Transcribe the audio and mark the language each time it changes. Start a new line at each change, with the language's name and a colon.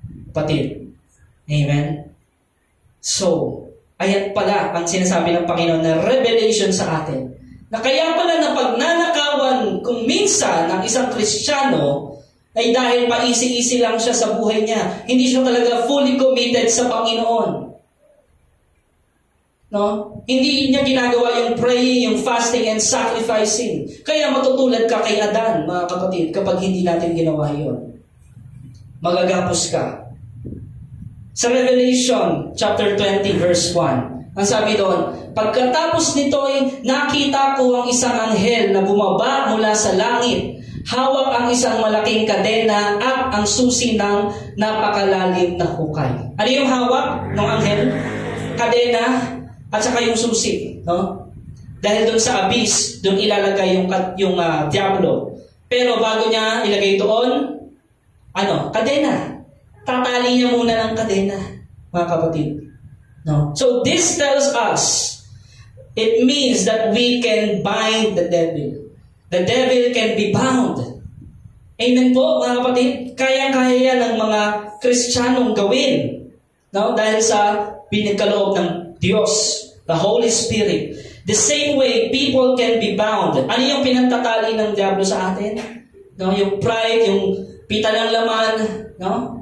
Filipino: Kapatid. Amen. So, ayan pala ang sinasabi ng Panginoon na revelation sa atin. Na kaya pala na pagnanakawan kung minsan ng isang Kristiyano ay dahil paisi-isi lang siya sa buhay niya. Hindi siya talaga fully committed sa Panginoon. No? Hindi niya ginagawa yung praying, yung fasting, and sacrificing. Kaya matutulad ka kay Adan, mga kapatid, kapag hindi natin ginawa yun. Magagapos ka. Sa Revelation chapter 20 verse 1, ang sabi doon, pagkatapos nito'y nakita ko ang isang anghel na bumaba mula sa langit, hawak ang isang malaking kadena at ang susi ng napakalalim na hukay. Ano yung hawak ng anghel? Kadena at saka yung susi, no? Dahil doon sa abyss, doon ilalagay yung diablo. Pero bago niya ilagay doon, ano? Kadena. Tatali niya muna ng kadena, mga kapatid. No?
English: So this tells us It means that we can bind the devil. The devil can be bound.
Filipino: Amen po, mga kapatid. Kayang-kaya ng mga Kristiyanong gawin. No? Dahil sa pinagkaloob ng Diyos, the Holy Spirit.
English: The same way, people can be bound.
Filipino: Ano yung pinagtatali ng Diablo sa atin? No? Yung pride, yung pita ng laman, no?